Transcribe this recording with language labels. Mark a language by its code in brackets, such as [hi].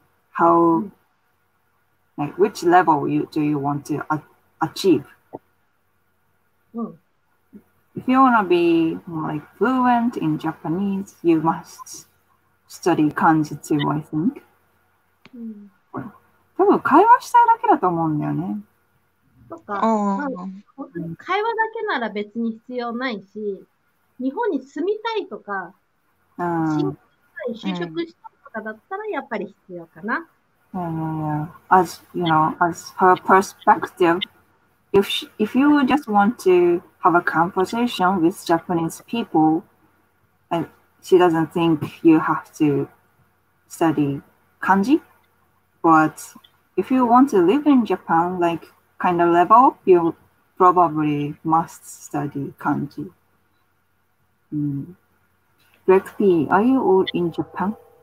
[en] How、like, which level you, do you want to achieve? If you want to be like fluent in Japanese, you must study kanji too, I think. [ja] 多分会話したいだけだと思うんだよね。とか、会話だけなら別に必要ないし、日本に住みたいとか、就職したいとかだったらやっぱり必要かな。 [en] As you know, as her perspective,If you just want to have a conversation with Japanese people, she doesn't think you have to study kanji. But if you want to live in Japan, like kind of level, you probably must study kanji.、Greg P, are you all in Japan?